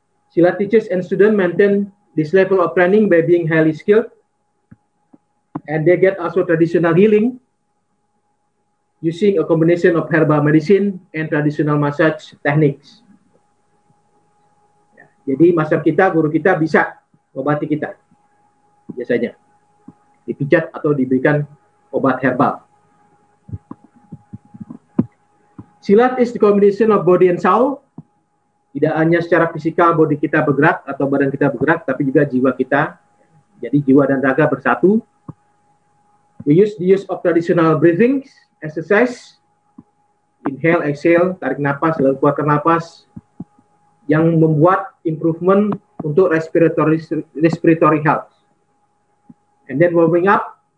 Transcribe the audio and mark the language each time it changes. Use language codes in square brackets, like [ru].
[en] Silat teachers and students maintain this level of training by being highly skilled, and they get also traditional healing using a combination of herbal medicine and traditional massage techniques. [id] Ya, jadi master kita, guru kita bisa mengobati kita biasanya dipijat atau diberikan obat herbal. [en] Silat is the combination of body and soul. [id] Tidak hanya secara fisikal body kita bergerak atau badan kita bergerak, tapi juga jiwa kita. Jadi jiwa dan raga bersatu. [en] We use the use of traditional breathing exercise. Inhale, exhale, [id] tarik nafas, lalu keluarkan nafas. Yang membuat improvement untuk [en] respiratory health. And then warming up.